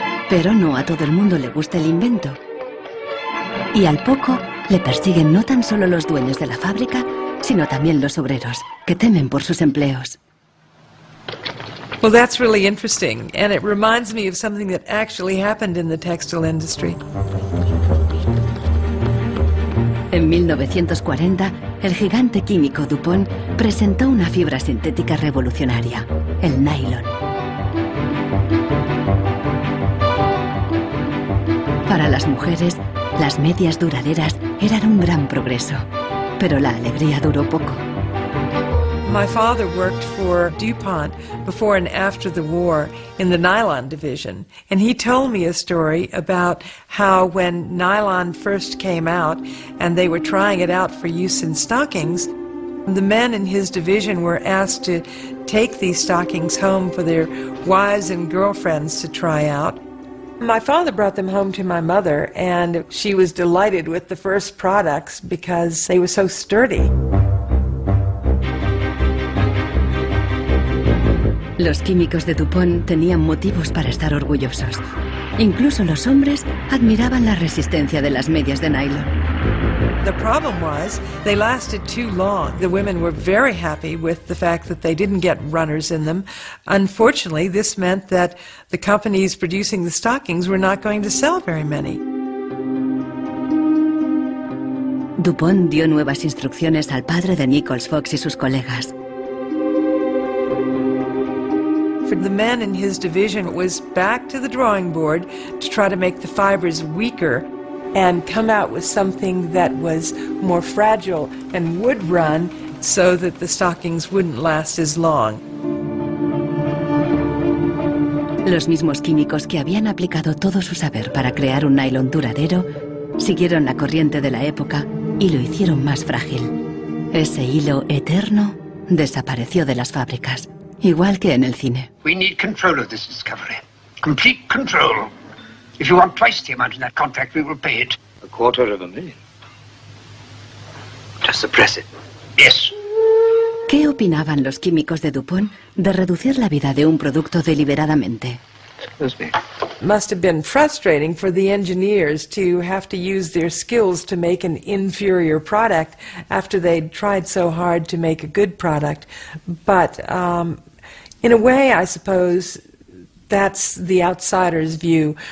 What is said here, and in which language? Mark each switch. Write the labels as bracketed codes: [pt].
[es] Pero no a todo el mundo le gusta el invento. Y al poco le persiguen no tan solo los dueños de la fábrica, sino también los obreros, que temen por sus empleos. [en] Well, that's really interesting, and it reminds me of something that actually happened in the textile industry. [es] En 1940, el gigante químico DuPont presentó una fibra sintética revolucionaria, el nylon. Para las mujeres, las medias duraderas eran un gran progreso, pero la alegría duró poco. [en] My father worked for DuPont before and after the war in the nylon division, and he told me a story about how when nylon first came out and they were trying it out for use in stockings, the men in his division were asked to take these stockings home for their wives and girlfriends to try out. My father brought them home to my mother, and she was delighted with the first products because they were so sturdy. [es] Los químicos de DuPont tenían motivos para estar orgullosos. Incluso los hombres admiraban la resistencia de las medias de nylon. [en] The problem was they lasted too long. The women were very happy with the fact that they didn't get runners in them. Unfortunately, this meant that the companies producing the stockings were not going to sell very many. [es] DuPont dio nuevas instrucciones al padre de Nichols Fox y sus colegas. [en] The man in his division was back to the drawing board to try to make the fibers weaker and come out with something that was more fragile and would run so that the stockings wouldn't last as long. [es] Los mismos químicos que habían aplicado todo su saber para crear un nylon duradero siguieron la corriente de la época y lo hicieron más frágil. Ese hilo eterno desapareció de las fábricas. Igual que en el cine. [en] We need control of this discovery. Complete control. If you want twice the amount in that contract, we will pay it. A quarter of a million. Just suppress it. Yes. [es] ¿Qué opinaban los químicos de DuPont de reducir la vida de un producto deliberadamente? [en] Must have been frustrating for the engineers to have to use their skills to make an inferior product after they'd tried so hard to make a good product. But in a way, I suppose that's the outsider's view.